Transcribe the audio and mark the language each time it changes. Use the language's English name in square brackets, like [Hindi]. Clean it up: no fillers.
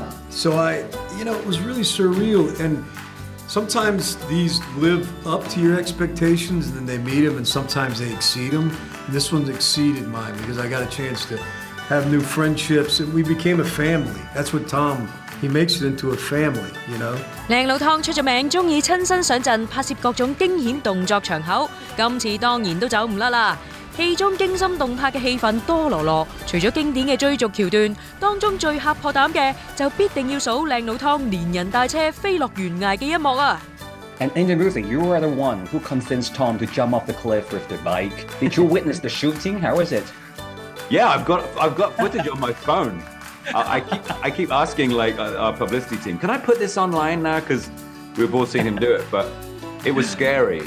[English] So it was really surreal. And sometimes these live up to your expectations and then they meet them, and sometimes they exceed them. And this one's exceeded mine because I got a chance to have new friendships and we became a family. That's what Tom, he makes it into a family, you know? [Cantonese] 靓老汤出了名，喜欢亲身上阵拍摄各种惊险动作场口，今次当然都走不掉了。戏中惊心动魄的气氛多罗罗，除了经典的追逐桥段，当中最吓破胆的就必定要数靓老汤连人带车飞落悬崖的一幕。 [English] And Indian Ruthie, you were the one who convinced Tom to jump off the cliff with the bike. Did you witness the shooting? How was it? Yeah, I've got footage on my phone. I keep asking like our publicity team, can I put this online now? Because we've all seen him do it, but it was scary.